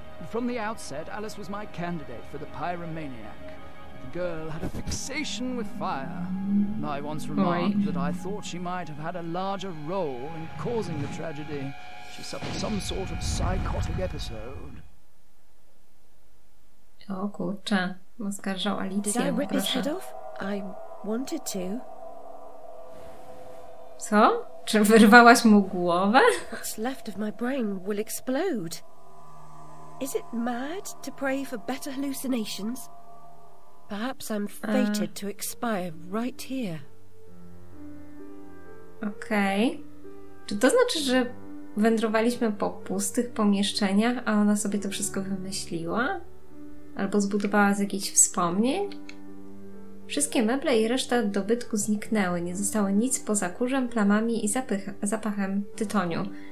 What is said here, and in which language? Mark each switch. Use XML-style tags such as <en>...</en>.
<en>From the outset, Alice was my candidate for the pyromaniac. The girl had a fixation with fire. I once remarked that I thought she might have had a larger role in causing the tragedy. She suffered some sort of psychotic episode.</en> <pl>O kurczę, oskarżał Alicję.</pl> <en>Did I rip his head off? I wanted to.</en> <pl>Co? Czy wyrwałaś mu głowę?</pl> <en>What's left of my brain will explode. Is it mad to pray for better hallucinations? Perhaps I'm fated to expire right here.</en> <pl>Okej. Okay. Czy to znaczy, że wędrowaliśmy po pustych pomieszczeniach, a ona sobie to wszystko wymyśliła? Albo zbudowała z jakichś wspomnień? Wszystkie meble i reszta dobytku zniknęły. Nie zostało nic poza kurzem, plamami i zapachem tytoniu.</pl>